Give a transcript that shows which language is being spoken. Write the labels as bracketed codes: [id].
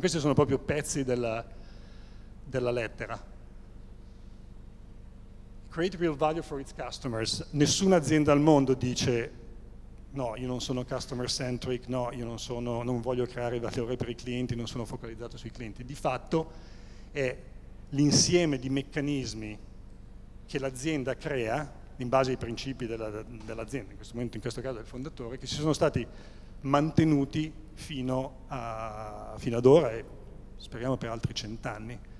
[it] Questi sono proprio pezzi della lettera. [en] Create real value for its customers. [it] Nessuna azienda al mondo dice no, io non sono [en] customer centric, [it] no, io non voglio creare valore per i clienti, non sono focalizzato sui clienti. Di fatto è l'insieme di meccanismi che l'azienda crea in base ai principi dell'azienda, in questo momento, in questo caso del fondatore, che si sono stati mantenuti fino ad ora e speriamo per altri 100 anni.